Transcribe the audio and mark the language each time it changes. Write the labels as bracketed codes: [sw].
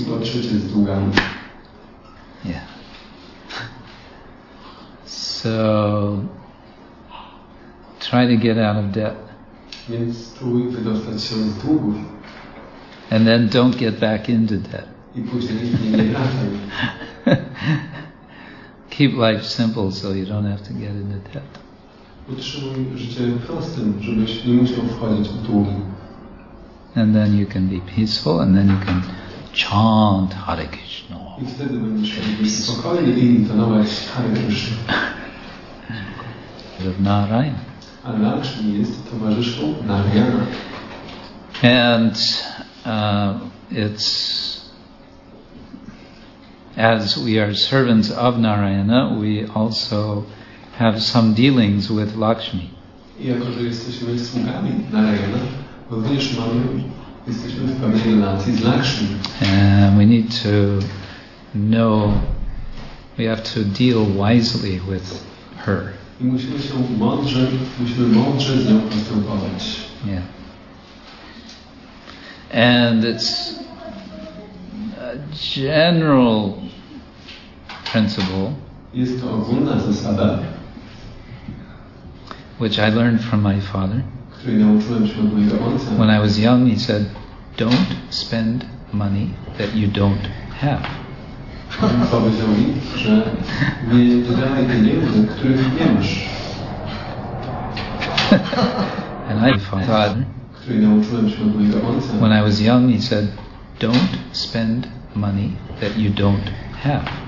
[pl] I po trzecie jest długami. Yeah. [en] So try to get out of debt. [pl] Więc spróbuj wydostać się z długów. [en] And then don't get back into debt. [pl] I później nie wracaj. [en] Keep life simple so you don't have to get into debt. [pl] Utrzymuj życie prostym, żebyś nie musiał wchodzić w długi. [en] And then you can be peaceful and then you can chant Hare Krishna. [pl] I wtedy będziesz być spokojny i intonować Hare Krishna. [en] Of Narayana. [pl] A Lakshmi jest towarzyszką Narayana. [en] And it's as we are servants of Narayana, we also have some dealings with Lakshmi. [pl] I jako, że jesteśmy sługami Narayana, również jesteśmy w pewnej relacji z Lakshmi. [en] And we need to know, we have to deal wisely with her. [pl] I musimy mądrze z nią postępować. Yeah. [en] And it's a general principle. [pl] Jest to ogólna zasada, [en] which I learned from my father. [pl] Której nauczyłem się od mojego ojca. [en] When I was young, he said, "Don't spend money that you don't have." [pl] On powiedział mi, że nie wydaje pieniędzy, których nie masz. [en] And I thought, [pl] który nauczyłem się od mojego ojca. [en] When I was young, he said, "Don't spend money that you don't have.